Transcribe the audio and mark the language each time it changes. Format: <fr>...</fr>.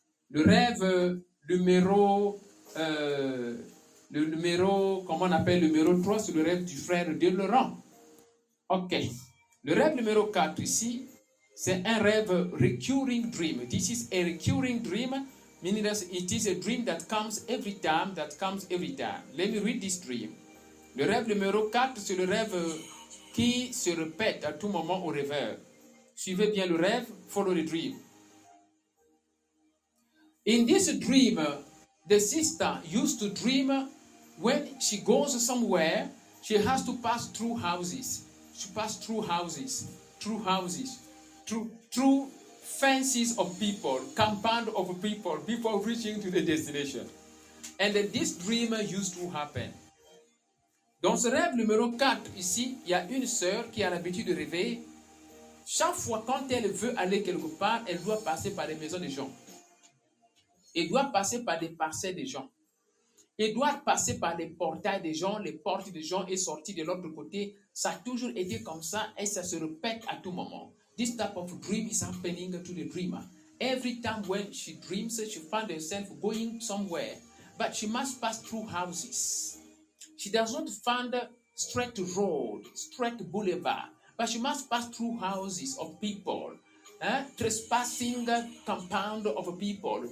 <fr>Le rêve numéro 3, c'est le rêve du frère de Laurent. Ok. Le rêve numéro 4 ici, c'est un rêve</fr> <en>recurring dream. This is a recurring dream, meaning that it is a dream that comes every time, that comes every time. Let me read this dream.</en> <fr>Le rêve numéro 4, c'est le rêve qui se répète à tout moment au rêveur. Suivez bien le rêve,</fr> <en>follow the dream. In this dream, the sister used to dream when she goes somewhere, she has to pass through houses. She passed through fences of people, compound of people, before reaching to the destination. And this dream used to happen.</en> <fr>Dans ce rêve numéro 4, ici, il y a une sœur qui a l'habitude de rêver. Chaque fois quand elle veut aller quelque part, elle doit passer par les maisons des gens. Elle doit passer par des parcelles des gens. Elle doit passer par les portails des gens, les portes des gens et sortir de l'autre côté. Ça a toujours été comme ça et ça se répète à tout moment.</fr> <en>This type of dream is happening to the dreamer. Every time when she dreams, she finds herself going somewhere. But she must pass through houses. She doesn't find a straight road, straight boulevard. But she must pass through houses of people. Trespassing compound of people.</en>